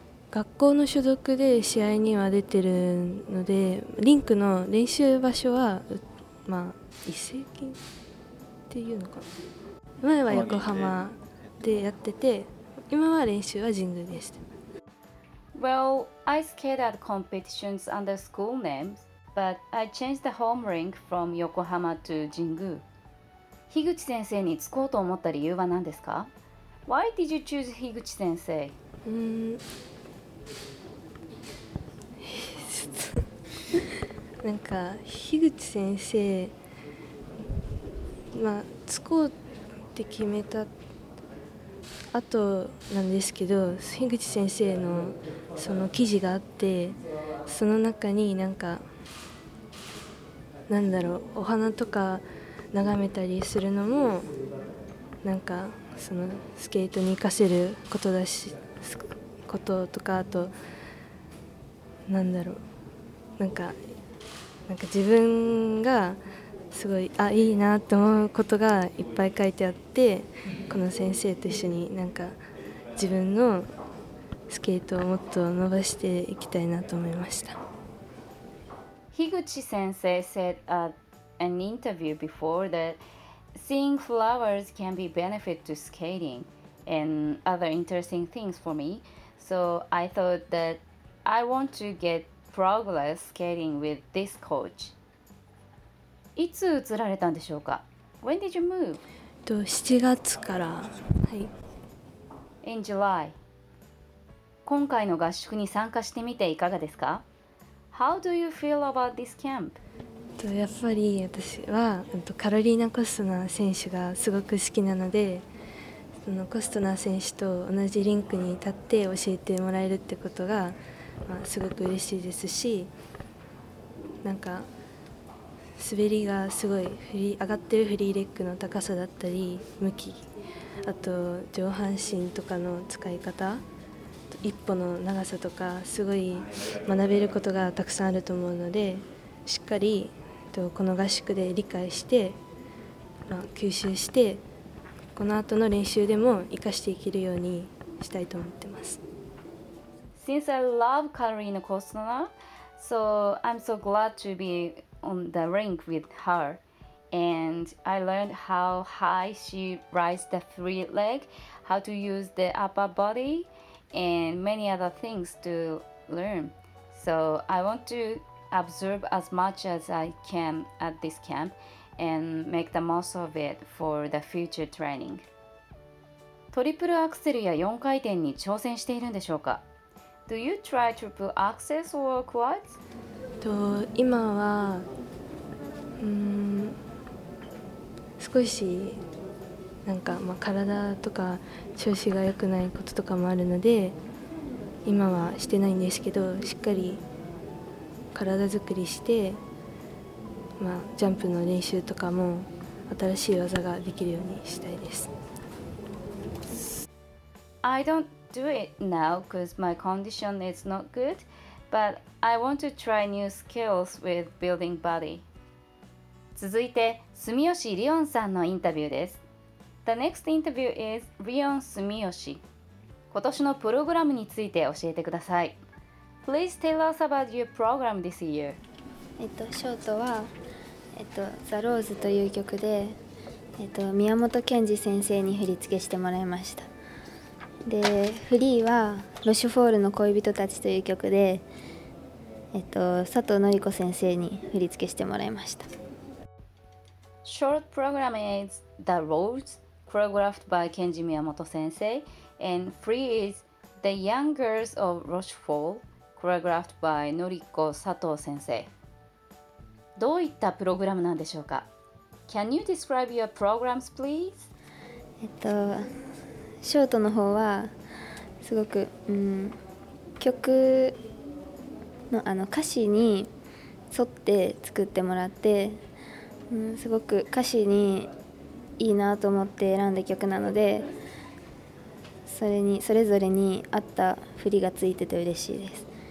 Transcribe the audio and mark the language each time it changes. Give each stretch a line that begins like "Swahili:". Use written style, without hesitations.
Japanese: 学校の所属で試合には出てるので、リンクの練習場所は、まあ、移籍っていうのかな、前は横浜でやってて、今は練習は神宮でした。
English: Well, I skated at competitions under school names, but I changed the home rink from Yokohama to 神宮。
Japanese: 樋口先生に就こうと思った理由は何ですか?
English: Why did you choose 樋口先生?
Japanese: なんか樋口先生、まあ、就こうって決めた後なんですけど、樋口先生のその記事があって、その中になんか、なんだろう、お花とか眺めたりするのもなんかそのスケートに活かせることだし、こととか、あとなんだろう、なんか自分がすごい、あ、いいなと思うことがいっぱい書いてあって、この先生と一緒になんか自分のスケートをもっと伸ばしていきたいなと思いました。
English: 樋口先生 said an interview before that seeing flowers can be benefit to skating and other interesting things for me, so I thought that I want to get progress skating with this coach.
Japanese: いつ移られたんでしょうか?
English: When did you move?
Japanese: 7月から、はい、
English: In July.
Japanese: 今回の合宿に参加してみていかがですか?
English: How do you feel about this camp?
Japanese: やっぱり私はカロリーナ・コストナー選手がすごく好きなので、そのコストナー選手と同じリンクに立って教えてもらえるってことがすごく嬉しいですし、なんか滑りがすごい上がってるフリーレッグの高さだったり向き、あと上半身とかの使い方、一歩の長さとかすごい学べることがたくさんあると思うので、しっかりこの合宿で理解して、まあ、吸収して、この後の練習でも活かしていけるようにしたいと思ってます。
English: Since I love Karolina Kostner, so I'm so glad to be on the rink with her, and I learned how high she rides the free leg, how to use the upper body, and many other things to learn. So I want toobserve as much as I can at this camp and make the most of it for the future training.
Japanese: トリプルアクセルや4回転に挑戦しているんでしょうか?
English: Do you try triple axels or quads?
Japanese: 今は、少しなんか、まあ、体とか調子が良くないこととかもあるので、今はしてないんですけど、しっかり体作りして、まあ、ジャンプの練習とかも新しい技ができるようにしたいです。
English: I don't do it now because my condition is not good, but I want to try new skills with building body.
Japanese: 続いて住吉リオンさんのインタビューです。
English: The next interview is Rion Sumiyoshi.
Japanese: 今年のプログラムについて教えてください。
English: Please tell us about your program this year.
Japanese: ショートは、ザ・ローズという曲で、宮本賢治先生に振り付けしてもらいました。で、フリーはロシュフォールの恋人たちという曲で、佐藤紀子先生に振り付けしてもらいました。
English: Short program is The Rose, choreographed by Kenji Miyamoto 先生 and Free is The Young Girls of Rochefort. Choreographed by Noriko Sato 先生。
Japanese: どういったプログラムなんでしょうか。
English: Can you describe your programs, please?
Japanese: ショートの方はすごく、曲 の、 あの歌詞に沿って作ってもらって、すごく歌詞にいいなと思って選んだ曲なので、それぞれに合った振りがついてて嬉しいです。